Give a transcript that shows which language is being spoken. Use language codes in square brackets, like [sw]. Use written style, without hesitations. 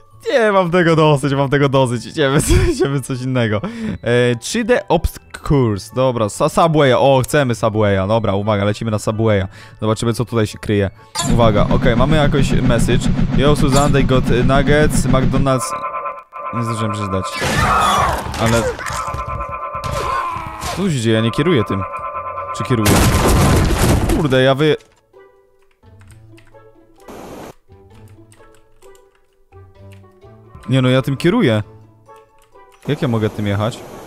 [pl] Nie, mam tego dosyć, idziemy coś innego. 3D Obstacles, dobra, Subwaya, o, chcemy Subwaya, dobra, uwaga, lecimy na Subwaya. Zobaczymy, co tutaj się kryje. Uwaga, okej, mamy jakoś message. [en] Yo, Susan, they got nuggets, McDonald's... [pl] Nie zdążyłem przeczytać. Ale... Co się dzieje, ja nie kieruję tym. Czy kieruję? Kurde, ja wy... Nie no, ja tym kieruję. Jak ja mogę tym jechać?